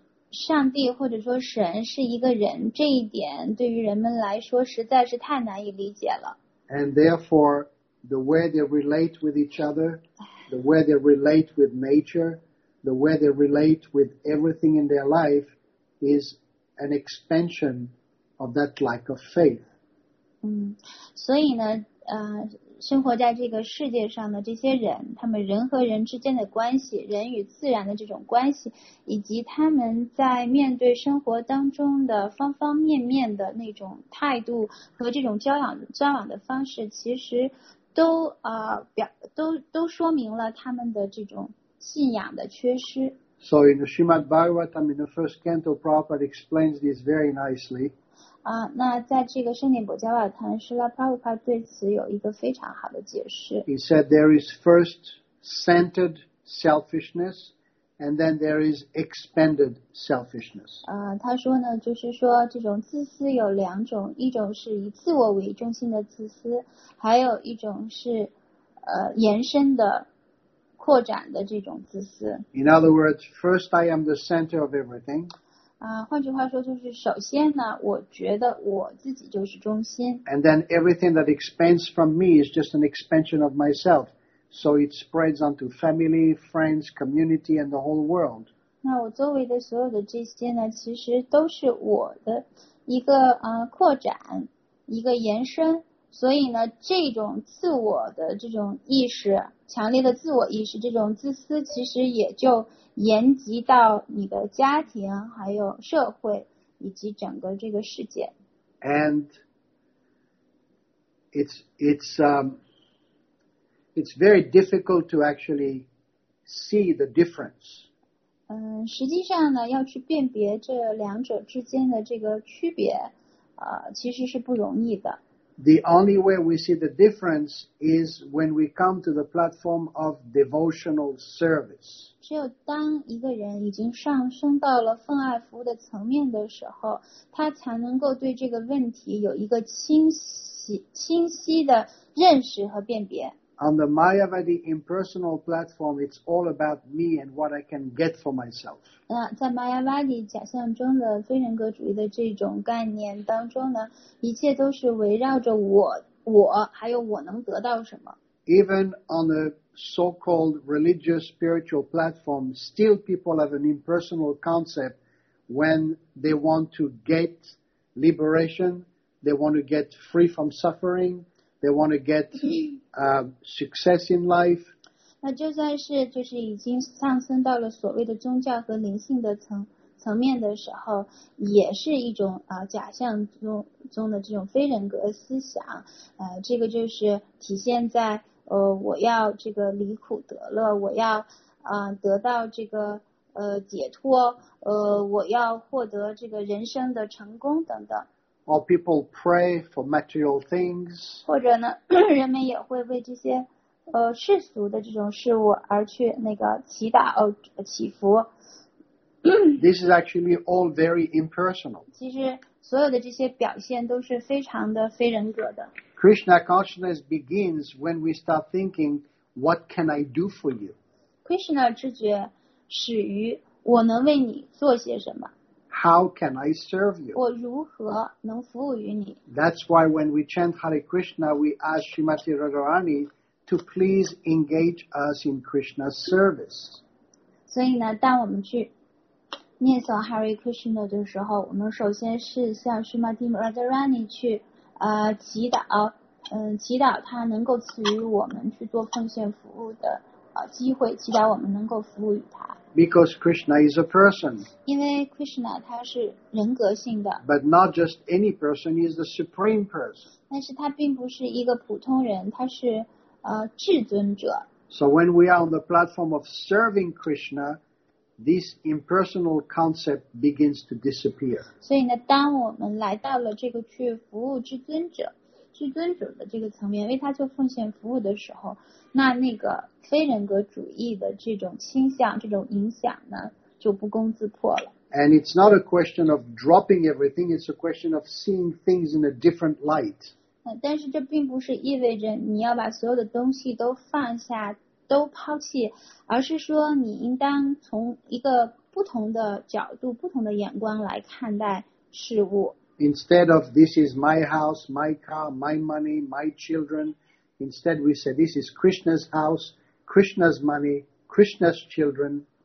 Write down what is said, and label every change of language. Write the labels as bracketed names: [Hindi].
[Chinese] 上帝或者说神是一个人，这一点对于人们来说实在是太难以理解了。 [English] And therefore,The way they relate with each other, the way they relate with nature, the way they relate with everything in their life is an expansion of that lack of faith. [Chinese] 所以呢，生活在这个世界上的这些人，他们人和人之间的关系，人与自然的这种关系，以及他们在面对生活当中的方方面面的那种态度和这种交往的方式，其实都说明了他们的这种信仰的缺失。 [English] So in the Srimad Bhagavatam, in the first canto, Prabhupada explains this very nicely. [Chinese] 啊，那在这个圣殿伯加瓦坛，施拉帕布帕对此有一个非常好的解释。 [English] He said there is first centered selfishness, and then there is expended selfishness. [Chinese] 他说呢，就是说这种自私有两种，一种是以自我为中心的自私，还有一种是延伸的。扩展的这种自私。 [English] In other words, first I am the center of everything. [Chinese] 换句话说就是首先呢，我觉得我自己就是中心。 [English] And then everything that expands from me is just an expansion of myself. So it spreads onto family, friends, community, and the whole world. [Chinese] 那我周围的所有的这些呢，其实都是我的一个扩展，一个延伸。所以呢，这种自我的这种意识，强烈的自我意识，这种自私其实也就延及到你的家庭，还有社会，以及整个这个世界。 [English] And it's very difficult to actually see the difference. [Chinese] 实际上呢，要去辨别这两者之间的这个区别，其实是不容易的。 [English] The only way we see the difference is when we come to the platform of devotional service. [Chinese] 只有当一个人已经上升到了奉爱服务的层面的时候，他才能够对这个问题有一个清晰的认识和辨别。 [English] On the Mayavadi impersonal platform, it's all about me and what I can get for myself. [Chinese] 在 Mayavadi 假象中的非人格主义的这种概念当中呢，一切都是围绕着我还有我能得到什么。 [English] Even on the so-called religious spiritual platform, still people have an impersonal concept when they want to get liberation, they want to get free from suffering,They want to get success in life. [Chinese] 那就算是就是已经上升到了所谓的宗教和灵性的层面的时候，也是一种假象中的这种非人格思想。这个就是体现在我要这个离苦得乐，我要得到这个解脱，我要获得这个人生的成功等等。 [English] Or people pray for material things. [Chinese] 或者呢，人们也会为这些世俗的这种事物而去那个祈祷祈福。 [English] This is actually all very impersonal. [Chinese] 其实所有的这些表现都是非常的非人格的。 [English] Krishna consciousness begins when we start thinking, "What can I do for you?" [Chinese] Krishna 知觉始于我能为你做些什么。 [English] How can I serve you? [Chinese] 我如何能服务于你? [English] That's why when we chant Hare Krishna, we ask Srimati Radharani to please engage us in Krishna's service. [Chinese] 所以呢，当我们去念诵 Hare Krishna 的时候，我们首先是向 Srimati Radharani 去祈祷他能够赐予我们去做奉献服务的机会，祈祷我们能够服务于他。 [English] Because Krishna is a person. [Chinese] 因为 Krishna 他是人格性的。 [English] But not just any person, he is the supreme person. [Chinese] 但是他并不是一个普通人，他是至尊者。 [English] So when we are on the platform of serving Krishna, this impersonal concept begins to disappear. [Chinese] 所以呢，当我们来到了这个去服务至尊者的这个层面，为他做奉献服务的时候，那个非人格主义的这种倾向，这种影响呢，就不攻自破了。 [English] And it's not a question of dropping everything, it's a question of seeing things in a different light. [Chinese] 但是这并不是意味着你要把所有的东西都放下，都抛弃，而是说你应当从一个不同的角度，不同的眼光来看待事物。 [English] Instead of this is my house, my car, my money, my children, instead we say this is Krishna's house, Krishna's money, Krishna's children.